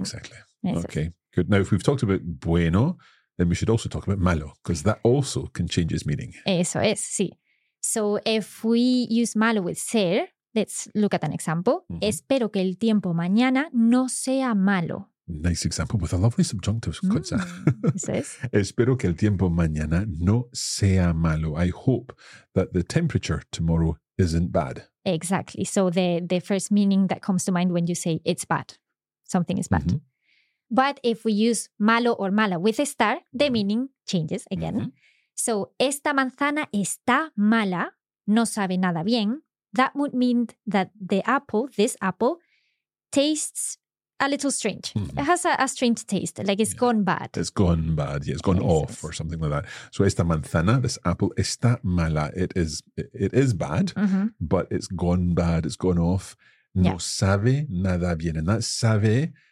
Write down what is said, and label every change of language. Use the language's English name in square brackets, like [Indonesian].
[English] Exactly. Eso okay, es. Good. Now, if we've talked about bueno, then we should also talk about malo, because that also can change its meaning. [Spanish] Eso es, sí. [English] So, if we use malo with ser, let's look at an example. Mm-hmm. [Spanish] Espero que el tiempo mañana no sea malo. [English] Nice example with a lovely subjunctive. Mm-hmm. [Spanish] Espero que el tiempo mañana no sea malo. [English] I hope that the temperature tomorrow isn't bad. Exactly. So the first meaning that comes to mind when you say it's bad, something is bad. Mm-hmm. But if we use malo or mala with estar, the meaning changes again. Mm-hmm. [Spanish] So esta manzana está mala, no sabe nada bien. [English] That would mean that this apple, tastes a little strange. Mm-hmm. It has a strange taste, like it's gone bad. It's gone bad, yeah, it's gone off or something like that. So [Spanish] esta manzana, [English] this apple, está mala. It is bad, mm-hmm. but it's gone bad, it's gone off. No sabe nada bien. And that sabe